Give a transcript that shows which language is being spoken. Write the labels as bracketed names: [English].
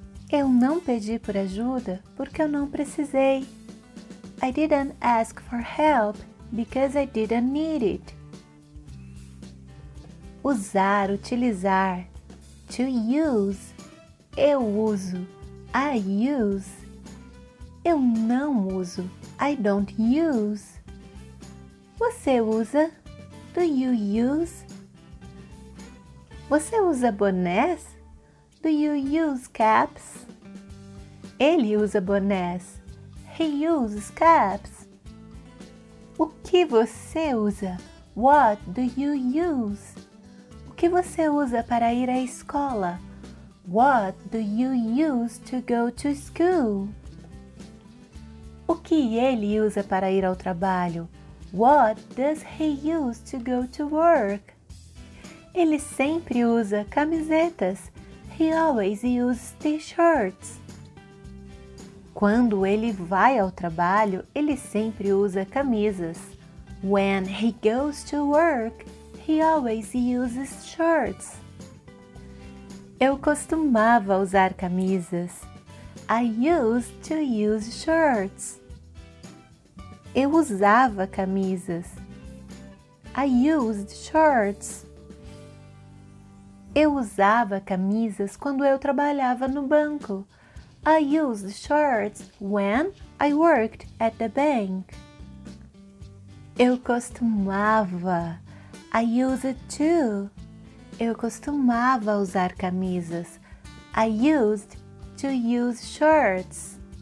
[Portuguese] Eu não pedi por ajuda porque eu não precisei. [English] I didn't ask for help because I didn't need it. [Portuguese] Usar, utilizar. [English] To use. [Portuguese] Eu uso. [English] I use. [Portuguese] Eu não uso. [English] I don't use. [Portuguese] Você usa? [English] Do you use? [Portuguese] Você usa bonés? [English] Do you use caps? [Portuguese] Ele usa bonés. [English] He uses caps. [Portuguese] O que você usa? [English] What do you use? [Portuguese] O que você usa para ir à escola? [English] What do you use to go to school? [Portuguese] O que ele usa para ir ao trabalho? [English] What does he use to go to work? [Portuguese] Ele sempre usa camisetas. [English] He always uses t-shirts. [Portuguese] Quando ele vai ao trabalho, ele sempre usa camisas. [English] When he goes to work, he always uses shirts. [Portuguese] Eu costumava usar camisas. [English] I used to use shirts. [Portuguese] Eu usava camisas. [English] I used shirts. [Portuguese] Eu usava camisas quando eu trabalhava no banco. [English] I used shirts when I worked at the bank. [Portuguese] Eu costumava. [English] I used to. [Portuguese] Eu costumava usar camisas. [English] I used to use shirts.